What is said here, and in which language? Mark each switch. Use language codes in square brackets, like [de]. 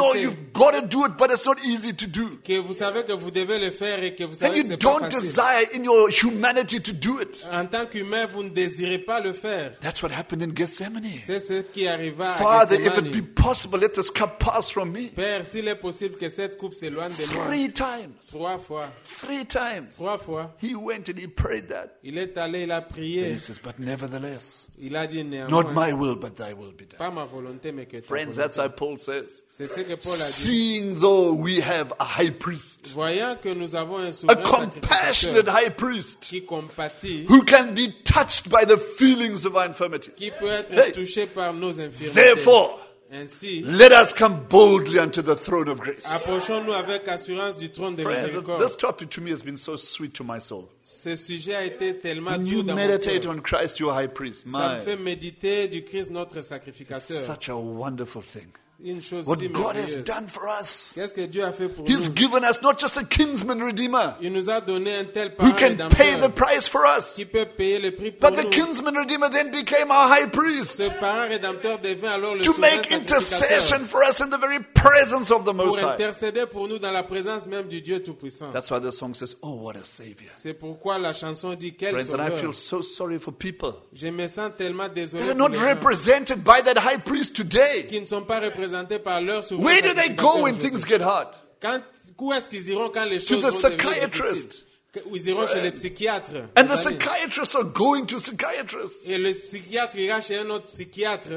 [en] know you've got to do it, but it's not easy to do. [fr] Que vous savez que vous devez le faire et que vous savez [en] and [fr] que c'est pas facile. [en] And you don't desire in your humanity to do it. [fr] En tant qu'humain, vous ne désirez pas le faire. [en] That's what happened in Gethsemane. [fr] C'est ce qui arriva à [en] Gethsemane. Father, if it be possible, let this cup pass from me. [fr] Père, s'il est possible que cette coupe s'éloigne de moi. [en] Three times. [fr] Trois fois. [en] Three times. [fr] Trois fois. [en] He went and he prayed that. [fr] Il est allé, il a prié. [en] And he says, but nevertheless. [fr] Il a dit néanmoins. [en] Not my will, but thy will be done. [fr] Pas ma volonté, mais que [en] friends, that's why Paul says. [fr] C'est ce que Paul a dit. [en] Seeing though we have a high priest, [fr] voyant que nous avons un [en] a compassionate high priest, [fr] qui compatit, [en] who can be touched by the feelings of our infirmities, [fr] qui peut être hey. Touché par nos infirmités. [en] Therefore, [fr] ainsi, [en] let us come boldly unto the throne of grace. [fr] Approchons-nous avec assurance du trône de miséricorde. [en] Friends, this topic to me has been so sweet to my soul. [fr] Ce sujet a été tellement [en] when [fr] doux [en] you meditate on Christ, your high priest, [fr] ça me fait méditer du Christ, notre sacrificateur. [en] It's such a wonderful thing. [fr] Une chose [en] what [fr] si [en] God has done for us. [fr] Qu'est-ce que Dieu a fait pour [en] He's [fr] nous? [en] Given us not just a kinsman redeemer. [fr] Il nous a donné un tel [en] who can pay the price for us. [fr] Qui peut payer le prix pour [en] but [fr] nous. [en] The kinsman redeemer then became our high priest. [fr] Ce parent rédempteur devint alors le [en] to make intercession for us in the very presence of the [fr] pour [en] Most High. [fr] Intercéder pour nous dans la présence même du Dieu Tout-Puissant. [en] That's why the song says, oh, what a savior. [fr] C'est pourquoi la chanson dit, quel [en] friends, [fr] sauveur. [en] And I feel so sorry for people. [fr] Je me sens tellement désolé [en] they are not represented by that high priest today. [fr] Qui ne sont pas par leur [en] where do they go when things get hard? [fr] Quand, où est-ce qu'ils iront quand les [en] to the psychiatrist. [fr] Ils iront chez les psychiatres. [en] And the psychiatrists are going to psychiatrists. [fr] Et les psychiatres iront chez un autre psychiatre.